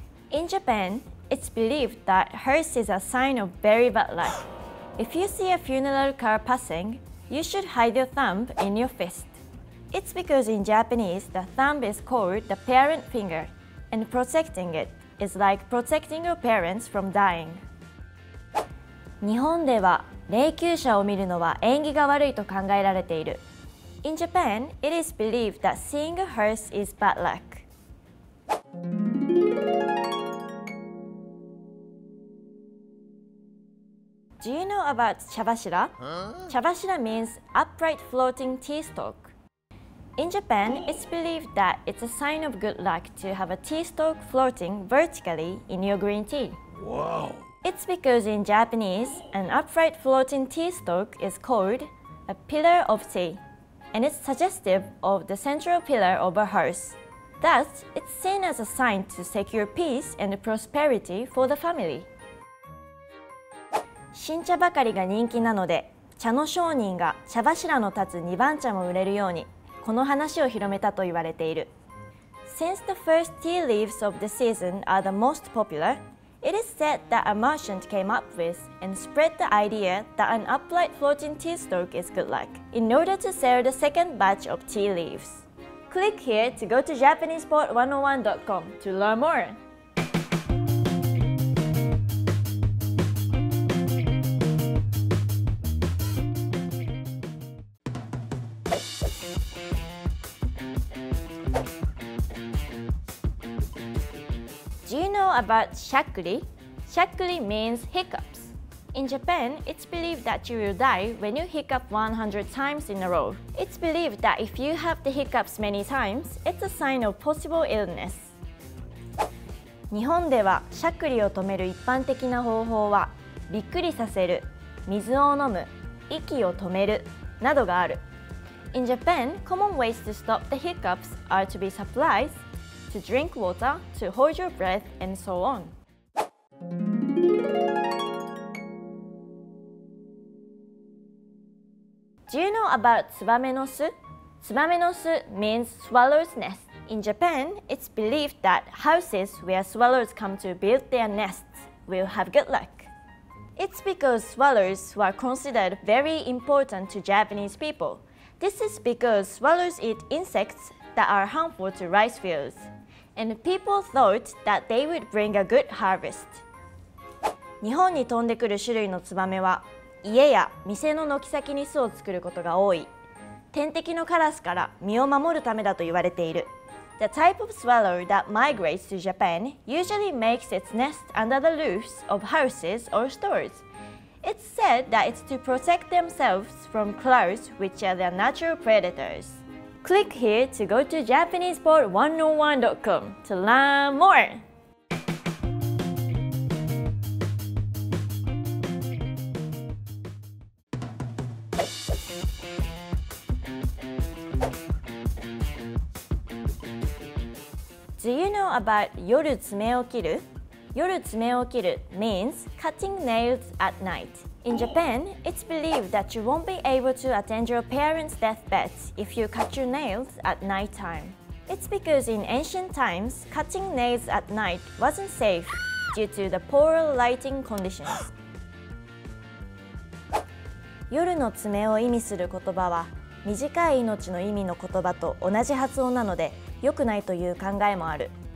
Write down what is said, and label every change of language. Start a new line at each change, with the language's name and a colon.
English: In Japan, it's believed that horse is a sign of very bad luck. If you see a funeral car passing,You should hide your thumb in your fist. It's because in Japanese, the thumb is called the parent finger, and protecting it is like protecting your parents from dying.
Japanese: 日本では、霊柩車を見るのは縁起が悪いと考えられている。
English: In Japan, it is believed that seeing a hearse is bad luck. Do you know about 茶柱?Huh? 茶柱 means upright floating tea stalk. In Japan, it's believed that it's a sign of good luck to have a tea stalk floating vertically in your green tea. Wow! It's because in Japanese, an upright floating tea stalk is called a pillar of tea, and it's suggestive of the central pillar of a hearth. Thus, it's seen as a sign to secure peace and prosperity for the family.
Japanese: 新茶ばかりが人気なので、茶の商人が茶柱の立つ2番茶も売れるように、この話を広めたと言われている。
English: Since the first tea leaves of the season are the most popular, it is said that a merchant came up with and spread the idea that an upright floating tea stalk is good luck in order to sell the second batch of tea leaves. Click here to go to JapanesePod101.com to learn more! About shakuri. Shakuri means hiccups. In Japan, it's believed that you will die when you hiccup 100 times in a row. It's believed that if you have the hiccups many times, it's a sign of possible illness.
Japanese: 日本ではしゃくりを止める一般的な方法はびっくりさせる、水を飲む、息を止めるなどがある。
English: In Japan, common ways to stop the hiccups are to be surprised,To drink water, to hold your breath, and so on. Do you know about
Japanese: tsubame no su?
English: Tsubame no su means swallow's nest. In Japan, it's believed that houses where swallows come to build their nests will have good luck. It's because swallows were considered very important to Japanese people. This is because swallows eat insects that are harmful to rice fields. And people thought that they would bring a good harvest.
Japanese: 日本に飛んでくる種類のツバメは、家や店の軒先に巣を作ることが多い。天敵のカラスから身を守るためだと言われている。
English: The type of swallow that migrates to Japan usually makes its nest under the roofs of houses or stores. It's said that it's to protect themselves from crows, which are their natural predators. Click here to go to JapanesePod101.com to learn more! Do you know about
Japanese: 夜爪を切る?
English: 夜爪を切る means cutting nails at night. In Japan, it's believed that you won't be able to attend your parents' deathbed if you cut your nails at night time. It's because in ancient times, cutting nails at night wasn't safe due to the poor lighting conditions.
Japanese: 夜の爪を意味する言葉は短い命の意味の言葉と同じ発音なので良くないという考えもある。